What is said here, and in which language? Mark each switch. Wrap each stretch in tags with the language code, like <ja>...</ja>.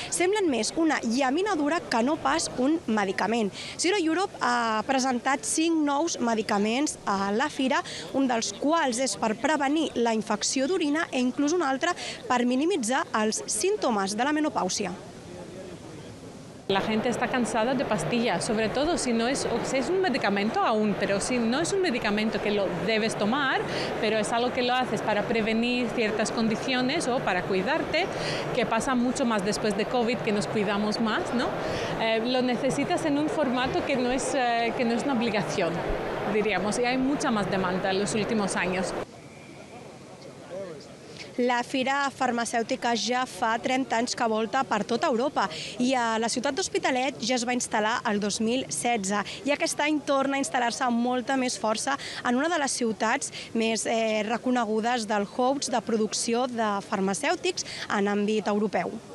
<ca>Semblen més una llaminadura que no pas un medicament. Ciro Europe ha presentat 5 nous medicaments a la fira, un dels quals és per prevenir la infecció d'orina i inclús una altra per minimitzar els símptomes de la menopàusia.</ca> <es>La gente está cansada de pastillas, sobre todo si no es, si es un medicamento aún, pero si no es un medicamento que lo debes tomar, pero es algo que lo haces para prevenir ciertas condiciones o para cuidarte, que pasa mucho más después de COVID, que nos cuidamos más, ¿no? Lo necesitas en un formato que no es una obligación, diríamos, y hay mucha más demanda en los últimos años.</es> <ca>La fira farmacèutica ja fa 30 anys que volta per tota Europa i a la ciutat d'Hospitalet ja es va instal·lar el 2016 i aquest any torna a instal·lar-se amb molta més força en una de les ciutats més reconegudes del hubs de producció de farmacèutics en àmbit europeu.</ca>